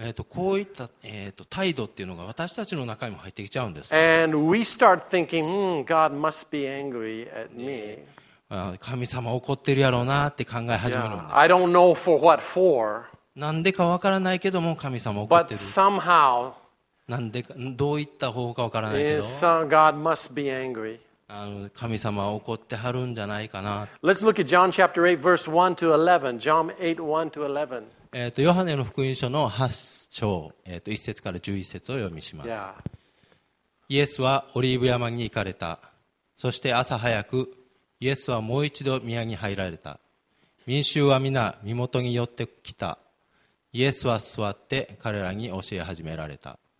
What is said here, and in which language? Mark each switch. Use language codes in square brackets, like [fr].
[ja] こういった、態度っていうのが私たちの中にも入ってきちゃうんです。 [en] And we start thinking, God must be angry at me. [ja] 神様怒ってるやろうなって考え始めるんです。 [en] Yeah, I don't know for what for. [ja] なんでかわからないけども神様怒ってる。 [en] But somehow, [ja] なんでかどういった方法かわからないけど、 [en] God must be angry. [ja] 神様は怒ってはるんじゃないかな。 [en] Let's look at John chapter 8, verse 1 to 11. John 8, 1 to 11. [ja] ヨハネの福音書の8章、1節から11節を読みします。イエスはオリーブ山に行かれた。そして朝早く、イエスはもう一度宮に入られた。民衆は皆、身元に寄ってきた。イエスは座って彼らに教え始められた。